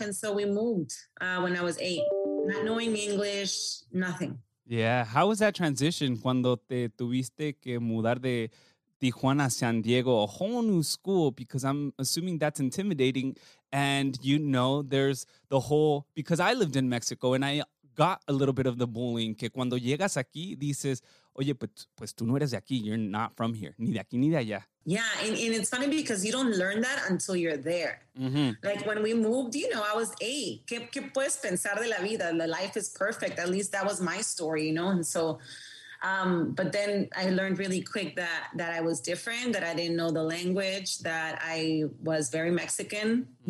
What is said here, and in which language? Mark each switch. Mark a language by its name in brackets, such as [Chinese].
[English] And so we moved when I was 8, not knowing English, nothing. Yeah. How was that transition [Spanish] cuando te tuviste que mudar de [English] Tijuana, San Diego, a whole new school? Because I'm assuming that's intimidating. And, you know, there's the whole, because I lived in Mexico and I got a little bit of the bullying. [Spanish] Que cuando llegas aquí, dices, oye, pues tú no eres de aquí. [English] You're not from here. [Spanish] Ni de aquí, ni de allá. [English] Yeah, and it's funny because you don't learn that until you're there. Mm-hmm. Like when we moved, you know, I was 8. [Spanish] ¿Qué puedes pensar de la vida? [English] The life is perfect. At least that was my story, you know? And so, but then I learned really quick that I was different, that I didn't know the language, that I was very Mexican. Mm-hmm.